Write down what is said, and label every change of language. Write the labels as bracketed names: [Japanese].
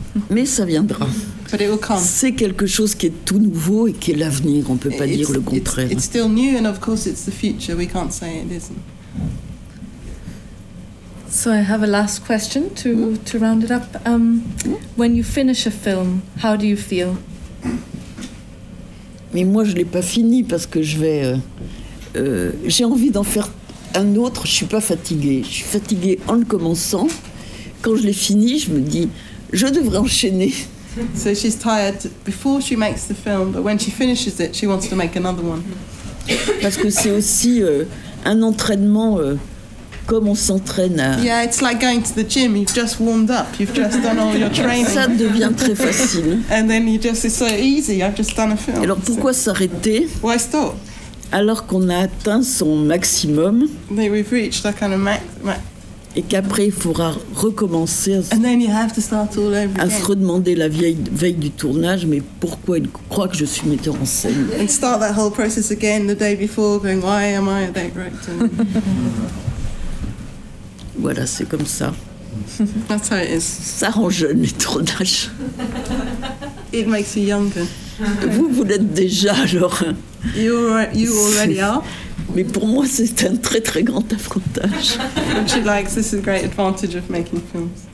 [French] Mais ça viendra. [English] But it will come. [French] C'est quelque chose qui est tout nouveau et qui est l'avenir. On peut pas dire le contraire. [English] It's still new, and of course, it's the future. We can't say it isn't. So I have a last question to round it up. When you finish a film, how do you feel? [French] Mais moi, je l'ai pas fini parce que je vais. J'ai envie d'en faire un autre, je suis pas fatiguée. Je suis fatiguée en le commençant. Quand je l'ai fini, je me dis, je devrais enchaîner. [English] So she's tired before she makes the film, but when she finishes it, she wants to make another one. [French] Parce que c'est aussi un entraînement comme on s'entraîne à. [English] Yeah, it's like going to the gym. You've just warmed up. You've just done all your training. [French] Ça devient très facile. [English] And then you just, it's so easy. I've just done a film. [French] Alors pourquoi s'arrêter? [English] Why stop? [French] Alors qu'on a atteint son maximum. [English] We've reached a kind of [French] Et qu'après, il faudra recommencer à se redemander la veille du tournage, mais pourquoi il croit que je suis metteur en scène. [English] And start that whole process again the day before, going, why am I a director? [French] Voilà, c'est comme ça. [English] That's how it is. [French] Ça rend jeune, les tournages. [English] It makes you younger. [French] Vous l'êtes déjà, alors. [English] You already are. [French] Mais pour moi, c'est un très, très grand avantage. [English] She likes this is a great advantage of making films.